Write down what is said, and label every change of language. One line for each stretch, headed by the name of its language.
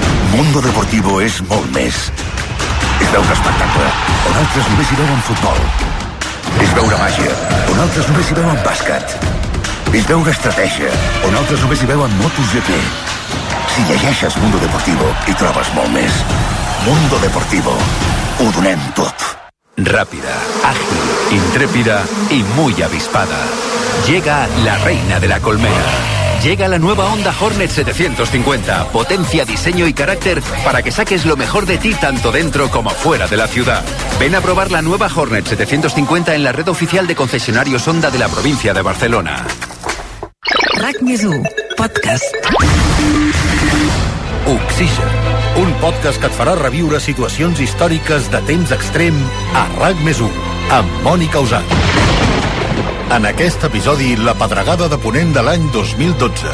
Catalan: Mundo Deportivo és molt més. És veure espectacle, on altres només hi veuen futbol. És veure màgia, on altres només hi veuen bàsquet. És veure estratègia, on altres només hi veuen MotoGP. Si llegeixes Mundo Deportivo, hi trobes molt més. Mundo Deportivo. Ho donem tot. Ràpida,
Spanish: ágil, intrépida y muy avispada. Llega la reina de la colmena. Llega la nueva Honda Hornet 750, potencia, diseño y carácter para que saques lo mejor de ti tanto dentro como fuera de la ciudad. Ven a probar la nueva Hornet 750 en la red oficial de concesionarios Honda de la provincia de Barcelona.
Catalan: RAC+1, podcast. Oxigen, un podcast que et farà reviure situacions històriques de temps extrem a RAC+1, amb Mònica Usat. En aquest episodi, la pedregada de Ponent de l'any 2012.